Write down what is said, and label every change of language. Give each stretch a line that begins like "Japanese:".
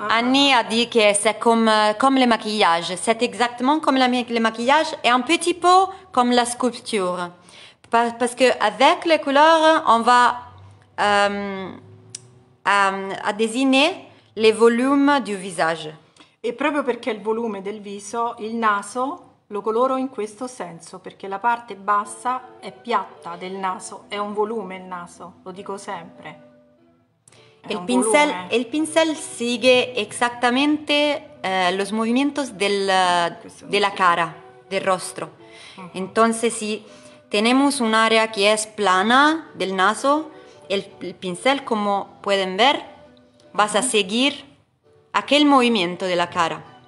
French: Annie a dit que c'est comme le maquillage. C'est exactement comme le maquillage et un petit peu comme la sculpture. Parce que avec les couleurs, on va a dessiner le volume du visage.
Italian: E proprio perché il volume del viso, il naso lo coloro in questo senso, perché la parte bassa è piatta del naso, è un volume il naso, lo dico sempre.
Spanish: El pincel sigue exactamente los movimientos della cara, del rostro. Entonces, si tenemos un área que es plana del naso, el pincel, como pueden ver, vas a seguir aquel movimiento de la cara.